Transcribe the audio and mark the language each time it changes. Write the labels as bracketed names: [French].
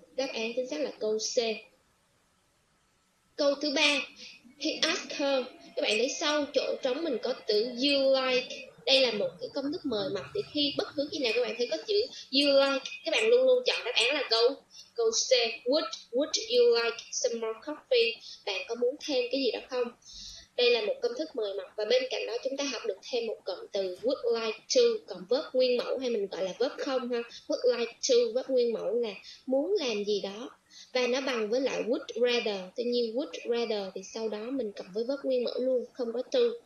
[Vietnamese] Đáp án chính xác là câu C. Câu thứ ba, [English] he asked her. [Vietnamese] Các bạn thấy sau chỗ trống mình có từ [English] you like. [Vietnamese] Đây là một cái công thức mời mọc để khi bất cứ khi nào các bạn thấy có chữ you like, các bạn luôn luôn chọn đáp án là câu C. [English] Would you like some more coffee? [Vietnamese] Bạn có muốn thêm cái gì đó không? Đây là một công thức mời mọc và bên cạnh đó chúng ta học được thêm một cụm từ [English] would like to, [Vietnamese] cụm verb nguyên mẫu hay mình gọi là verb không ha. [English] Would like to, [Vietnamese] verb nguyên mẫu là muốn làm gì đó. Và nó bằng với lại [English] would rather, [Vietnamese] tuy nhiên would rather thì sau đó mình cộng với verb nguyên mẫu luôn, không có to.